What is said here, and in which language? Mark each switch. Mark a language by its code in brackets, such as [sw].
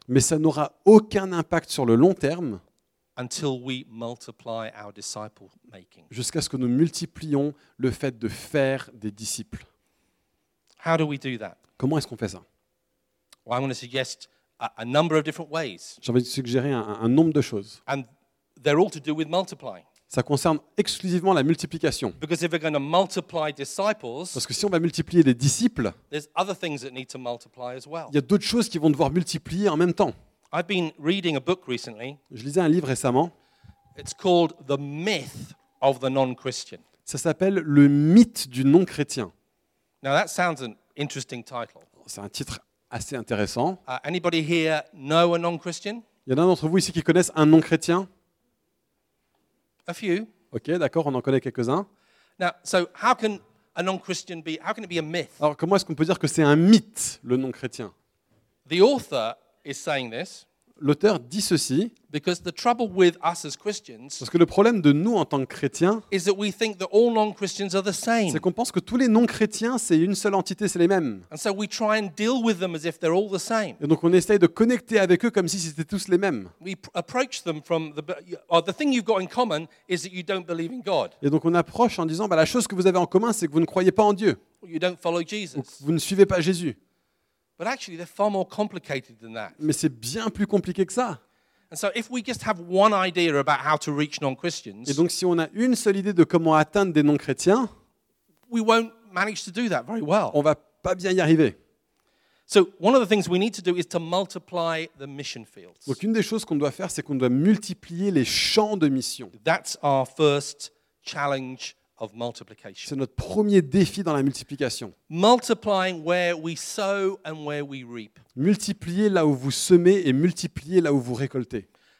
[fr] Mais ça n'aura aucun impact sur le long terme. [en] Until we multiply our disciple making. [fr] Jusqu'à ce que nous multiplions le fait de faire des disciples. [en] How do we do that? [fr] Comment est-ce qu'on fait ça? [en] Well, I'm going to suggest a number of different ways. [fr] J'ai envie de suggérer un nombre de choses. [en] And they're all to do with multiplying. [fr] Ça concerne exclusivement la multiplication. [en] Because if we're going to multiply disciples, [fr] parce que si on va multiplier des disciples, [en] there's other things that need to multiply as well. [fr] Il y a d'autres choses qui vont devoir multiplier en même temps. [en] I've been reading a book recently. [fr] Je lisais un livre récemment. [en] It's called The Myth of the Non-Christian. [fr] Ça s'appelle Le Mythe du Non-Chrétien. [en] Now that sounds an interesting title. [fr] C'est un titre assez intéressant. [en] Anybody here know a non-Christian? [fr] Il y en a d'entre vous ici qui connaissent un non-chrétien? [en] A few. [fr] OK, d'accord, on en connaît quelques-uns. [en] Now, so how can a non-Christian be, how can it be a myth? [fr] Alors comment est-ce qu'on peut dire que c'est un mythe le non-chrétien? [en] The author is saying this. [fr] L'auteur dit ceci. [en] Because the trouble with us as Christians, [fr] parce que le problème de nous en tant que chrétiens, [en] is that we think that all non-Christians are the same. [fr] C'est qu'on pense que tous les non-chrétiens, c'est une seule entité, c'est les mêmes. [en] And so we try and deal with them as if they're all the same. [fr] Et donc on essaye de connecter avec eux comme si c'était tous les mêmes. [en] We approach them from the thing you've got in common is that you don't believe in God. [fr] Et donc on approche en disant, bah, la chose que vous avez en commun, c'est que vous ne croyez pas en Dieu. [en] You don't follow Jesus. [fr] Ou vous ne suivez pas Jésus. [en] But actually, they're far more complicated than that. [fr] Mais c'est bien plus compliqué que ça. [en] And so, if we just have one idea about how to reach non-Christians, [fr] et donc si on a une seule idée de comment atteindre des non-chrétiens, [en] we won't manage to do that very well. [fr] On va pas bien y arriver. [en] So, one of the things we need to do is to multiply the mission fields. [fr] Donc, une des choses qu'on doit faire, c'est qu'on doit multiplier les champs de mission. [en] That's our first challenge. Of multiplication. [fr] C'est notre premier défi dans la multiplication. [en] Multiplying where we sow and where we reap. [fr] Multiplier là où vous semez et multiplier là où vous récoltez.